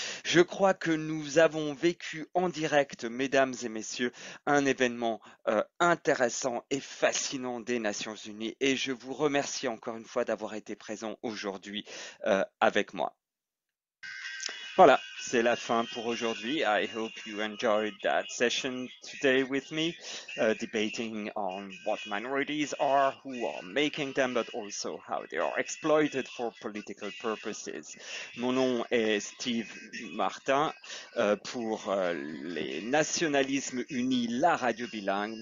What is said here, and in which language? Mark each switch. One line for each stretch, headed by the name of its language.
French: Je crois que nous avons vécu en direct, mesdames et messieurs, un événement intéressant et fascinant des Nations Unies et je vous remercie encore une fois d'avoir été présents aujourd'hui avec moi. Voilà, c'est la fin pour aujourd'hui.
English: I hope you enjoyed that session today with me, debating on what minorities are, who are making them, but also how they are exploited for political purposes.
French: Mon nom est Steve Martin pour les Nationalismes Unis, la radio bilingue.